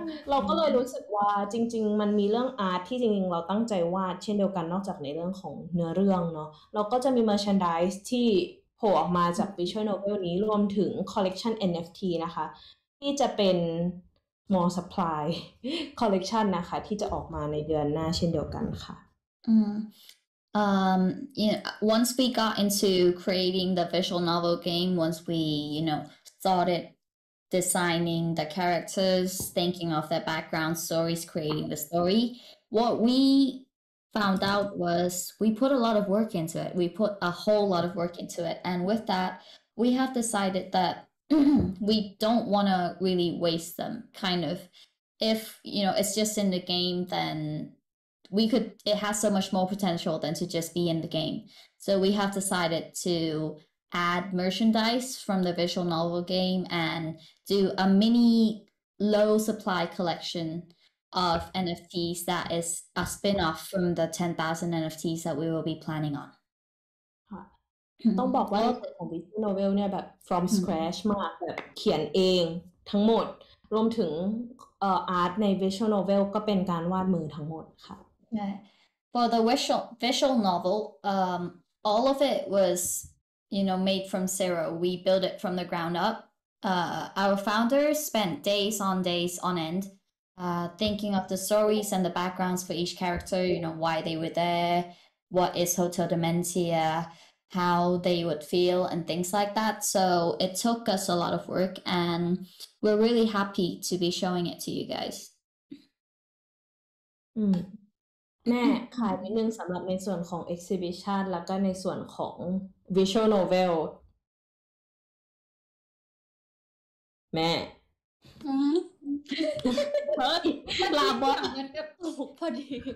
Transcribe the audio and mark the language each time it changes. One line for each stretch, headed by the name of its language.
Thai: เราก็เลยรู้สึกว่าจริงๆมันมีเรื่องอาร์ตที่จริงๆเราตั้งใจวาดเช่นเดียวกันนอกจากในเรื่องของเนื้อเรื่องเนาะเราก็จะมีเมอร์ชานดิสที่โผล่ออกมาจากวิชวลโนเวลนี้รวมถึงคอลเลกชัน NFT นะคะที่จะเป็น
English: more supply collection
Thai: นะคะที่จะออกมาในเดือนหน้าเช่นเดียวกันค่ะ
English: Once we got into creating the visual novel game, once we, you know, started designing the characters, thinking of their background stories, creating the story, what we found out was we put a lot of work into it. We put a whole lot of work into it. And with that, we have decided that we don't want to really waste them, kind of. If, you know, it's just in the game, then we could, it has so much more potential than to just be in the game. So we have decided to add merchandise from the visual novel game and do a mini low supply collection of NFTs that is a spin-off from the 10,000 NFTs that we will be planning on.
Thai: ต้องบอกว่าเป็นของ visual novel เนี่ยแบบ
English: from scratch
Thai: มากแบบเขียนเองทั้งหมดรวมถึงart ใน visual novel ก็เป็นการวาดมือทั้งหมดค่ะ
English: For the visual novel, all of it was, you know, made from zero. We built it from the ground up. Our founders spent days on days on end thinking of the stories and the backgrounds for each character, you know, why they were there, what is Hotel Dementia, how they would feel and things like that. So it took us a lot of work and we're really happy to be showing it to you guys.
Thai: แม่ขายนิดนึงสำหรับในส่วนของ exhibition แล้วก็ในส่วนของ visual novel แม่เฮ้ยลาบอกเงินกระปุกพอดี